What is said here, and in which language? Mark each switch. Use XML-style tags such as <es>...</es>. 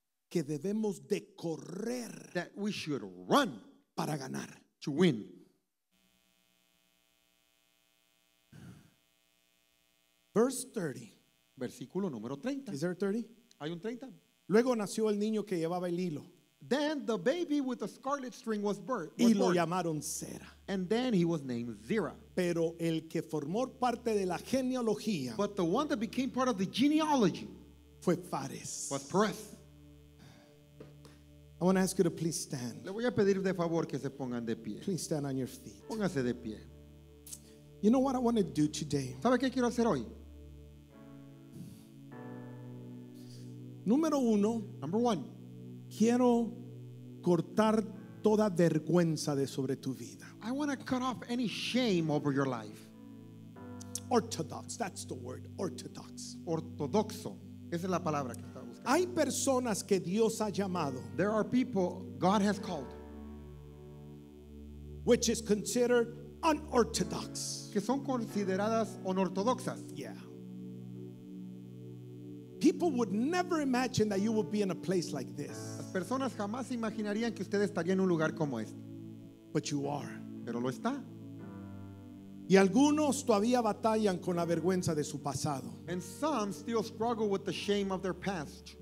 <es>Que debemos de correr.</es> <en>That we should run.</en> <es>Para ganar.</es> <en>To win. Verse 30.</en> <es>Versículo número 30.</es> <en>Is there a 30?</en> <es>Hay un 30. Luego nació el niño que llevaba el hilo.</es> <en>Then the baby with the scarlet string was birthed.</en> <es>Y lo llamaron Zera.</es> <en>And then he was named Zera.</en> <es>Pero el que formó parte de la genealogía.</es> <en>But the one that became part of the genealogy.</en> <es>Fue Fares.</es> <en>Was Perez. I want to ask you to please stand.</en> <es>Le voy a pedir de favor que se pongan de pie.</es> <en>Please stand on your feet.</en> <es>Póngase de pie.</es> <en>You know what I want to do today?</en> <es>¿Sabe qué quiero hacer hoy? Número uno,</es> <en>number one,</en> <es>quiero cortar toda vergüenza de sobre tu vida.</es> <en>I want to cut off any shame over your life. Orthodox, that's the word, orthodox.</en> <es>Ortodoxo, esa es la palabra que está buscando. Hay personas que Dios ha llamado.</es> <en>There are people God has called. Which is considered unorthodox.</en> <es>Que son consideradas unortodoxas.</es> <en>Yeah. People would never imagine that you would be in a place like this.</en> <es>Las personas jamás imaginarían que usted estaría en un lugar como este.</es> <en>But you are.</en> <es>Pero lo está. Y algunos todavía batallan con la vergüenza de su pasado.</es> <en>And some still struggle with the shame of their past.</en>